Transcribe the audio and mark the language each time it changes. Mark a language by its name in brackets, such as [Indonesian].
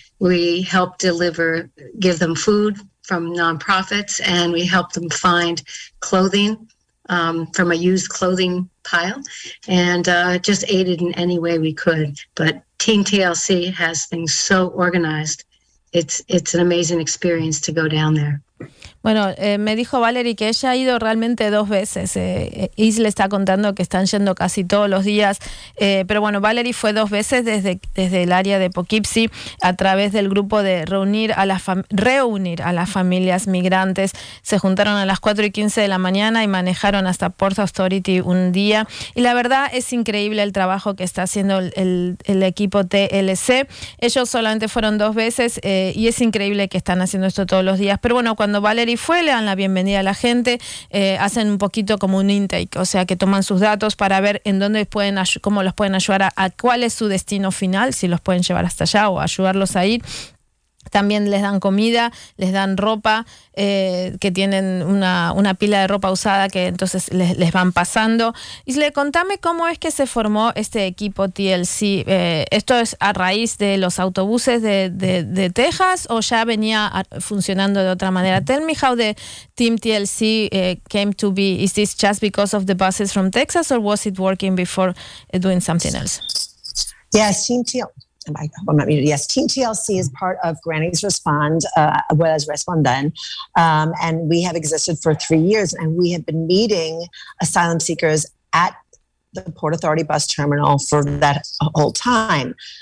[English] We helped give them food from nonprofits, and we helped them find clothing from a used clothing pile, and just aided in any way we could. But Team TLC has things so organized. It's an amazing experience to go down there. [Spanish] Bueno, me dijo Valerie que ella ha ido realmente dos veces. Isle está contando que están yendo casi todos los días. Pero bueno, Valerie fue dos veces desde el área de Poughkeepsie a través del grupo de reunir a las familias migrantes. Se juntaron a las 4:15 de la mañana y manejaron hasta Port Authority un día. Y la verdad es increíble el trabajo que está haciendo el equipo TLC. Ellos solamente fueron dos veces y es increíble que están haciendo esto todos los días. Pero bueno, cuando Valerie fue, le dan la bienvenida a la gente, hacen un poquito como un intake, o sea que toman sus datos para ver en dónde pueden cómo los pueden ayudar, a cuál es su destino final, si los pueden llevar hasta allá o ayudarlos a ir. También les dan comida, les dan ropa, que tienen una pila de ropa usada que entonces les van pasando. Y le contame cómo es que se formó este equipo TLC. ¿Esto es a raíz de los autobuses de Texas o ya venía funcionando de otra manera? [English] Tell me how the Team TLC came to be. Is this just because of the buses from Texas or was it working before doing something else? Yes, Team TLC. Yes, Team TLC is part of Grannies Respond, was Respondan, and we have existed for 3 years, and we have been meeting asylum seekers at the Port Authority bus terminal for that whole time.